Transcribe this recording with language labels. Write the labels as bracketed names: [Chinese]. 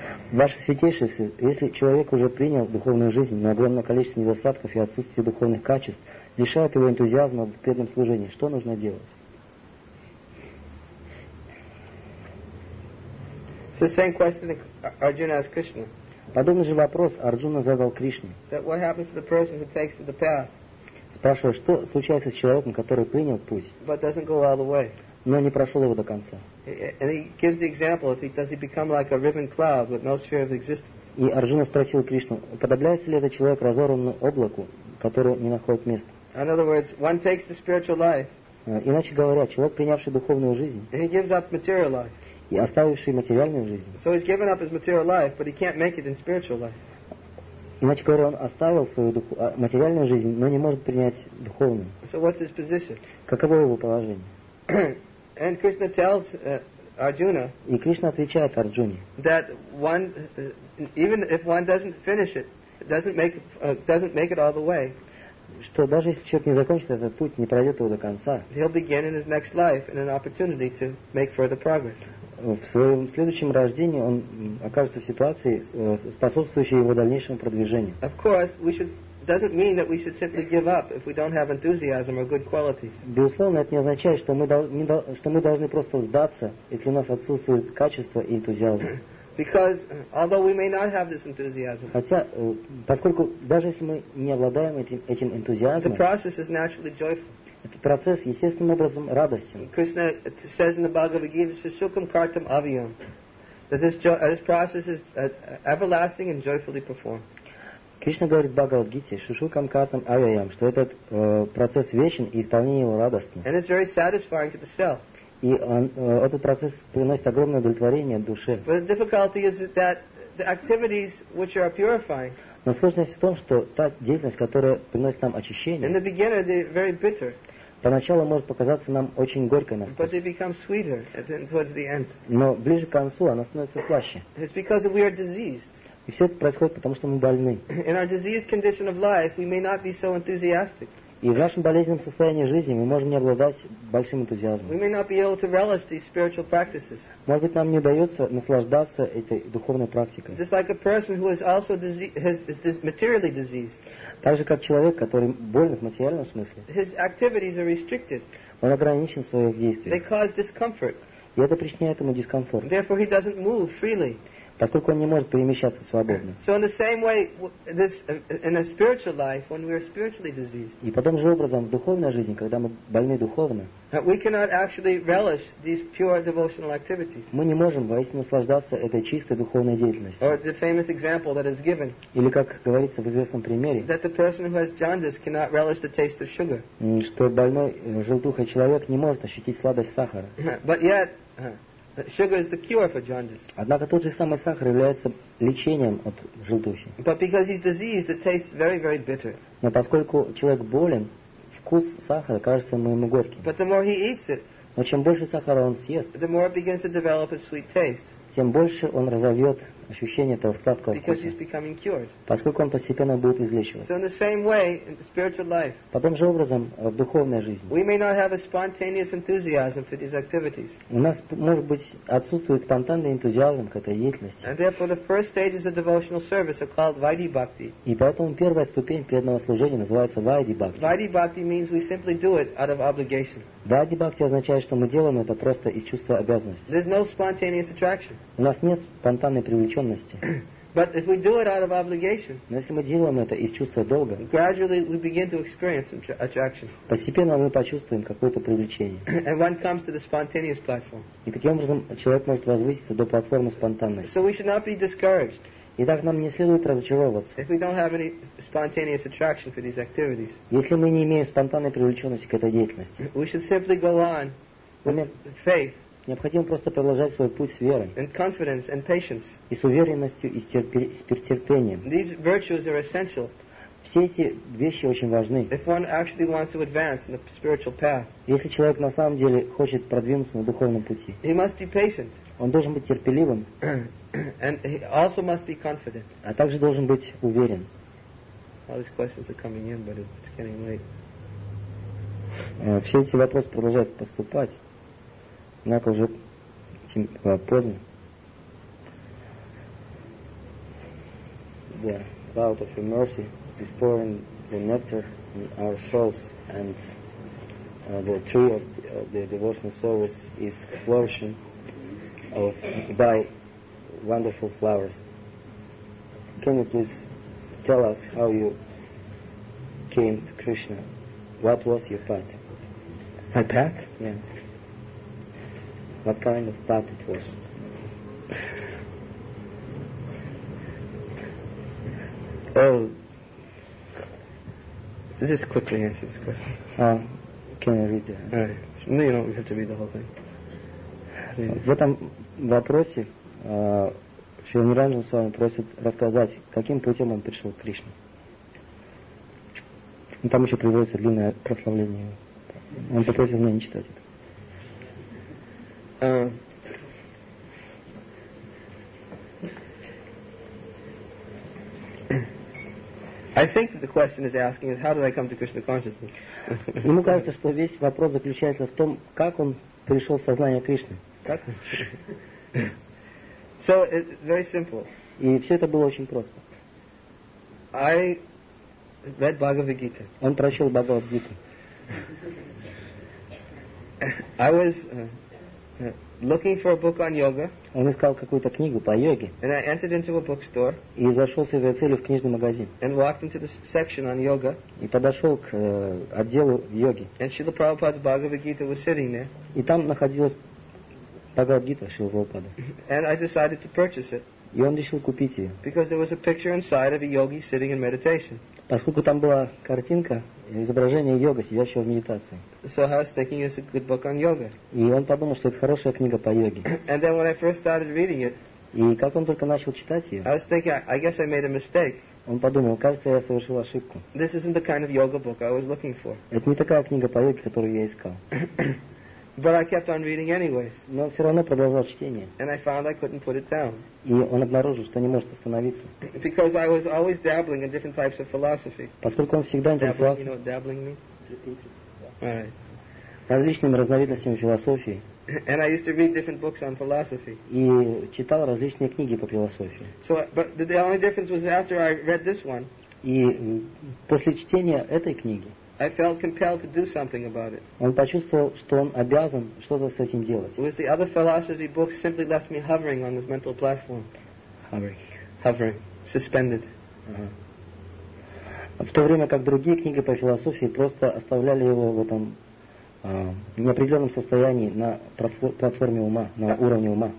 [Russian] Ваше святейшество, если человек уже принял духовную жизнь, но огромное количество недостатков и отсутствие духовных качеств лишает его энтузиазма в преданном служении, что нужно делать? [English] The same question Arjuna asked Krishna. [Russian] Подобный же вопрос Арджуна задал Кришне. [English] That what happens to the person who takes to the path? [Russian] Спрашивая, что случается с человеком, который принял путь, [English] but doesn't go all the way. [Russian] Но не прошел его до конца. [English] And he gives the example of does he become like a riven cloud with no sphere of existence? [Russian] И Арджуна спросил Кришну, подобляется ли этот человек разорванному облаку, которое не находит места? [English] In other words, one takes the spiritual life. [Russian] Иначе говоря, человек, принявший духовную жизнь, [English] and he gives up material life. [Russian] И оставивший материальную жизнь. [English] So he's given up his material life, but he can't make it in spiritual life. [Russian] Иначе говоря, он оставил свою материальную жизнь, но не может принять духовную. [English] So what's his position? [Russian] Каково его положение? [English] And Krishna tells Arjuna. [Russian] И Кришна отвечает Арджуне. [English] That one, even if one doesn't finish it, doesn't make it all the way. [Russian] Что даже если человек не закончит этот путь, не пройдет его до конца. [English] He'll begin in his next life in an opportunity to make further progress. [Russian] В своем следующем рождении он окажется в ситуации, способствующей его дальнейшему продвижению. [English] Of course, we should. Doesn't mean that we should simply give up if we don't have enthusiasm or good qualities. [Russian] Безусловно, это не означает, что мы должны просто сдаться, если у нас отсутствует качество и энтузиазм. [English] Because although we may not have this enthusiasm, [Russian] хотя поскольку даже если мы не обладаем этим энтузиазмом, [English] the process is naturally joyful. [Russian] Этот процесс естественным образом радостен. [English] Krishna says in the Bhagavad Gita, [Sanskrit] "Sushukam kartam avyam," [English] that this process is everlasting and joyfully performed. [Russian] Кришна говорит в Бхагавад-гите, [Sanskrit] Шушукам картам авиям, [Russian] что этот процесс вечен и исполнение его радостно. [English] And it's very satisfying to the self. [Russian] И он, этот процесс приносит огромное удовлетворение душе. [English] But the difficulty is that the activities which are purifying. [Russian] Но сложность в том, что та деятельность, которая приносит нам очищение, [English] in the beginning they're very bitter. [Russian] Поначалу может показаться нам очень горькой на вкус. [English] But they become sweeter towards the end. [Russian] Но ближе к концу она становится слаще. [English] It's because we are diseased. [Russian] И все это происходит, потому что мы больны. [English] In our diseased condition of life, we may not be so enthusiastic. [Russian] И в нашем болезненном состоянии жизни мы можем не обладать большим энтузиазмом. [English] We may not be able to relish these spiritual practices. [Russian] Может быть, нам не удается наслаждаться этой духовной практикой. [English] Just like a person who is also materially diseased. [Russian] Так же, как человек, который болен в материальном смысле. [English] His activities are restricted. [Russian] Он ограничен в своих действиях. [English] They cause discomfort. [Russian] И это причиняет ему дискомфорт. [English] Therefore, he doesn't move freely. [Russian] Поскольку он не может перемещаться свободно. [English] So in the same way, this in a spiritual life, when we are spiritually diseased. [Russian] И подобным же образом в духовной жизни, когда мы больны духовно. [English] We cannot actually relish these pure devotional activities. [Russian] Мы не можем воистину наслаждаться этой чистой духовной деятельностью. [English] Or the famous example that is given. [Russian] Или как говорится в известном примере. [English] That the person who has jaundice cannot relish the taste of sugar. [Russian] Что больной желтухой человек не может ощутить сладость сахара. [English] But yet. Sugar is the cure for jaundice. [Russian] Однако тот же самый сахар является лечением от желтухи. [English] But because he's diseased, it tastes very, very bitter. [Russian] Но поскольку человек болен, вкус сахара кажется ему горьким. [English] But the more he eats it, [Russian] но чем больше сахара он съест, [English] the more it begins to develop a sweet taste. [Russian] Тем больше он разовьет ощущение этого сладкого [English] because [Russian] вкуса. [English] He's becoming cured. [Russian] Поскольку он постепенно будет излечиваться. [English] So in the same way, in the spiritual life, [Russian] подобным же образом в духовной жизни. [English] We may not have a spontaneous enthusiasm for these activities. [Russian] У нас может быть отсутствует спонтанный энтузиазм к этой деятельности. [English] And therefore, the first stages of devotional service are called Vaidhi Bhakti. [Russian] И поэтому первая ступень преданного служения называется Vaidhi Bhakti. [English] Vaidhi Bhakti means we simply do it out of obligation. [Russian] Vaidhi Bhakti означает, что мы делаем это просто из чувства обязанности. [English] There's no spontaneous attraction. [Russian] У нас нет спонтанной привлеченности. [English] But if we do it out of obligation, gradually we begin to experience some attraction. [Russian] Постепенно мы почувствуем какое-то привлечение. [English] And one comes to the spontaneous platform. [Russian] И таким образом человек может возвыситься до платформы спонтанности. [English] So we should not be discouraged. [Russian] Итак, нам не следует разочаровываться. [English] If we don't have any spontaneous attraction for these activities, [Russian] если мы не имеем спонтанной привлеченности к этой деятельности, [English] we should simply go on with faith. [Russian] Необходимо просто продолжать свой путь с верой. [English] And confidence and patience. [Russian] И с уверенностью, и с терпением. [English] These virtues are essential. [Russian] Все эти вещи очень важны. [English] If one actually wants to advance in the spiritual path, [Russian] если человек на самом деле хочет продвинуться на духовном пути, [English] he must be patient. [Russian] Он должен быть терпеливым. [English] And he also must be confident. [Russian] А также должен быть уверен. [English] All these questions are coming in, but it's getting late. [Russian] Все эти вопросы продолжают поступать. Однако уже поздно. [English] The cloud of your mercy is pouring the nectar in our souls, and the tree of the devotional service is flourishing of, by wonderful flowers. Can you please tell us how you came to Krishna? What was your path? My path? Yeah. What kind of path it was? Oh, just quickly answer this question. Can I read the answer? Right. No, you don't have to read the whole thing. [Russian] В этом вопросе Шри Нараджан с вами просит рассказать, каким путем он пришел к Кришне. Там еще приводится длинное прославление. Он попросил меня не читать это. [English] I think that the question is asking is how did I come to Krishna consciousness? [Russian] Ему кажется, что весь вопрос заключается в том, как он пришел в сознание Кришны. [English] So it's very simple. [Russian] И все это было очень просто. [English] I read Bhagavad Gita. [Russian] Он прочел Бхагавад Гиту. [English] I was looking for a book on yoga. [Russian] Он искал какую-то книгу по йоге. [English] And I entered into a bookstore. [Russian] И зашел с этой целью в книжный магазин. [English] And walked into the section on yoga. [Russian] И подошел к отделу йоги. [English] And Srila Prabhupada's Bhagavad Gita was sitting there. [Russian] И там находилась Бхагавад Гита Шрилы Прабхупады. [English] And I decided to purchase it. [Russian] И он решил купить ее. [English] Because there was a picture inside of a yogi sitting in meditation. [Russian] Поскольку там была картинка, изображение йога, сидящего в медитации. [English] So I was thinking it's a good book on yoga. [Russian] И он подумал, что это хорошая книга по йоге. [English] And then when I first started reading it, [Russian] и как он только начал читать ее, [English] I was thinking, I guess I made a mistake. [Russian] Он подумал, кажется, я совершил ошибку. [English] This isn't the kind of yoga book I was looking for. [Russian] Это не такая книга по йоге, которую я искал. [English] But I kept on reading anyways. [Russian] Но все равно продолжал чтение. [English] And I found I couldn't put it down. [Russian] И он обнаружил, что не может остановиться. [English] Because I was always dabbling in different types of philosophy. [Russian] Поскольку он всегда интересовался. [English] Dabbling, you know what dabbling means? Alright. [Russian] Различными разновидностями философии. [English] And I used to read different books on philosophy. [Russian] И читал различные книги по философии. [English] So, but the only difference was after I read this one. [Russian] И после чтения этой книги. [English] I felt compelled to do something about it. [Russian] Он почувствовал, что он обязан что-то с этим делать. [English] Whereas the other philosophy books simply left me hovering on this mental platform. Hovering. Suspended. [Russian] В то время как другие книги по философии просто оставляли его в этом неопределенном состоянии на платформе ума, на уровне ума.